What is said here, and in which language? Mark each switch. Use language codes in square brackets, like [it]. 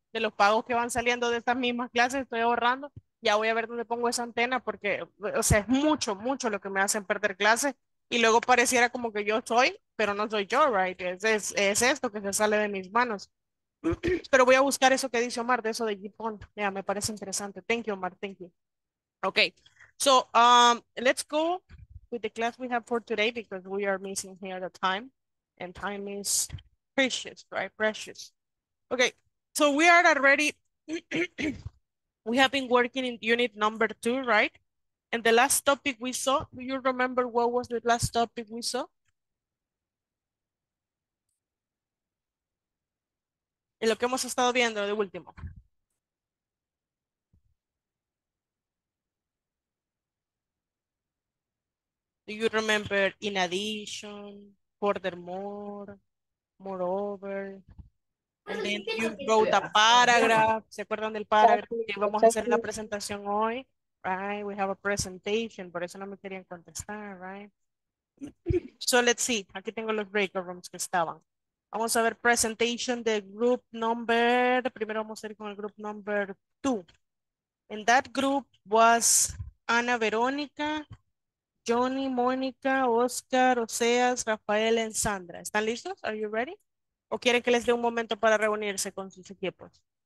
[es] De los pagos que van saliendo de estas mismas clases, estoy ahorrando. Ya voy a ver dónde pongo esa antena porque, o sea, es mucho, mucho lo que me hacen perder clases. Y luego pareciera como que yo soy, pero no soy yo, right? Es esto que se sale de mis manos. Pero voy a buscar eso que dice Omar, de eso de Japón. [en] Yeah, [es] me parece interesante. [en] Thank you, Omar, thank you. Okay, so let's go with the class we have for today because we are missing here the time. And time is precious, right? Precious. Okay, so we are already, we have been working in unit number 2, right? And the last topic we saw, do you remember what was the last topic we saw? [es] En lo que hemos estado viendo de último. [en] Do you remember in addition, furthermore, moreover? And then you wrote a paragraph. [es] ¿Se acuerdan del paragraph que vamos a hacer la presentación hoy? [en] Right, we have a presentation, [es] por eso no me querían contestar, right? [en] So let's see, [es] aquí tengo los breakout rooms que estaban. Vamos a ver presentation de group number, primero vamos a ir con el group number 2. [en] In that group was Ana Verónica, Johnny, Mónica, Oscar, Oseas, Rafael, and Sandra. [es] ¿Están listos? [en] Are you ready? [es] ¿O quieren que les dé un momento para reunirse con sus equipos?